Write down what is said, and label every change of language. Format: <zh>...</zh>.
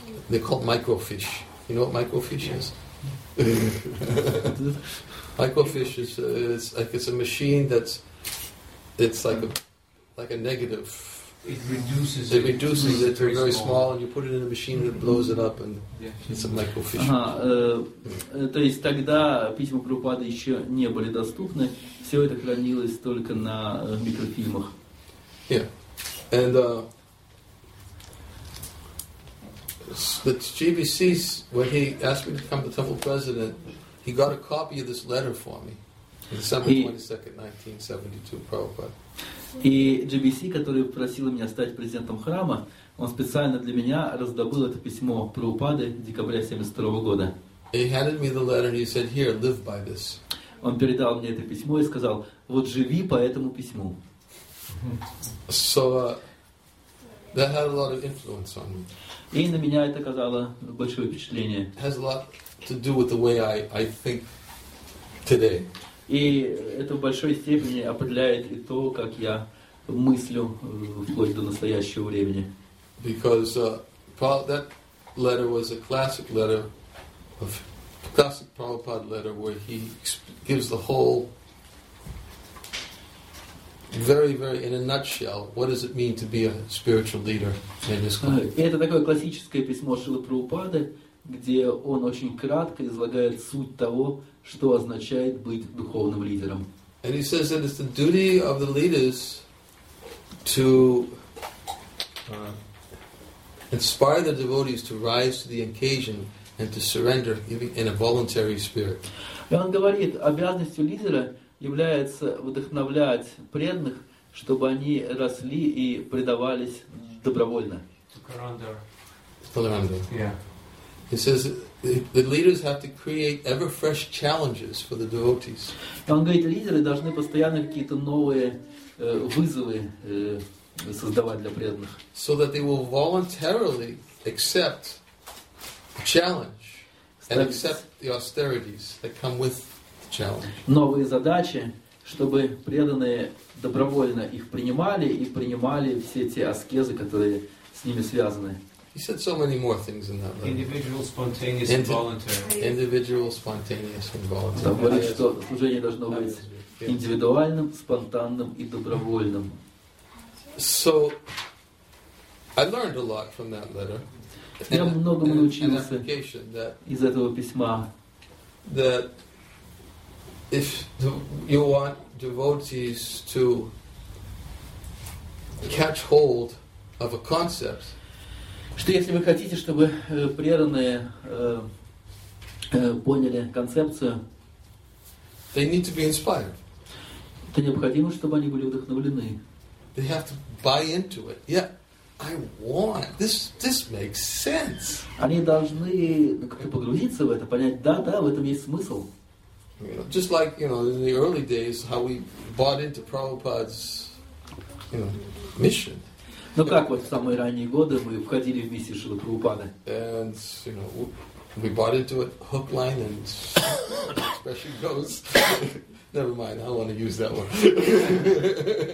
<en>They called microfiche. You know what microfiche is? Microfish is a machine that's like a negative. It reduces it to very small, and you put it in a machine and it blows it up, and it's a microfish.</en> <ru>То есть тогда письма Прабхупады еще не были доступны. Все это хранилось только на микрофильмах.</ru> <en>Yeah, and the GBC's when he asked me to become the temple president. He got a copy of this letter for me, December 22nd, 1972, Prabhupada.</en> <ru>И GBC, который просил меня стать президентом храма, он специально для меня раздобыл это письмо Прабхупады декабря 72 года.</ru> <en>He handed me the letter and he said, "Here, live by this."</en> <ru>Он передал мне это письмо и сказал: "Вот живи по этому письму."</ru> <en>So that had a lot of influence on me.</en> <ru>И на меня это оказало большое впечатление.</ru> <en>It has a lot to do with the way I think today.</en> <ru>И это в большой степени определяет и то, как я мыслю вплоть до настоящего времени.</ru> <en>Because that letter was a classic letter, a classic Prabhupada letter, where he gives the whole very, very, in a nutshell, what does it mean to be a spiritual leader in his country.</en> <ru>Это такое классическое письмо Шрилы Прабхупады, где он очень кратко излагает суть того, что означает быть духовным лидером.</ru> <en>And he says that it's the duty of the leaders to inspire the devotees to rise to the occasion and to surrender in a voluntary spirit.</en> <ru>И он говорит, обязанностью лидера является вдохновлять преданных, чтобы они росли и предавались добровольно.</ru> <en>Surrender. He says the leaders have to create ever fresh challenges for the devotees.</en> <ru>Он говорит, лидеры должны постоянно какие-то новые вызовы создавать для преданных.</ru> <en>So that they will voluntarily accept the challenge and accept the austerities that come with the challenge.</en> <ru>Новые задачи, чтобы преданные добровольно их принимали и принимали все те аскезы, которые с ними связаны.</ru> <en>He said so many more things in that letter. Individual, spontaneous, and voluntary. Individual, spontaneous, and voluntary.</en> <ru>Он говорит, что служение должно быть индивидуальным, спонтанным и добровольным.</ru> <en>So, I learned a lot from that letter.</en> <ru>Я многому научился из этого письма.</ru> <en>That if you want devotees to catch hold of a concept,</en> <ru>что если вы хотите, чтобы преданные поняли концепцию,</ru> <en>they need to be inspired.</en> <ru>То необходимо, чтобы они были вдохновлены.</ru> <en>They have to buy into it. Yeah, I want this. This makes sense.</en> <ru>Они должны как-то погрузиться в это, понять, да, в этом есть смысл.</ru> <en>You know, just like, you know, in the early days, how we bought into Prabhupada's, you know, mission.</en> <ru>Ну как вот в самые ранние годы мы входили в миссию Шрилы Прабхупады?</ru> <en>And, you know, we bought into it hook, line, and special goes. Never mind, I don't want to use that word.</en>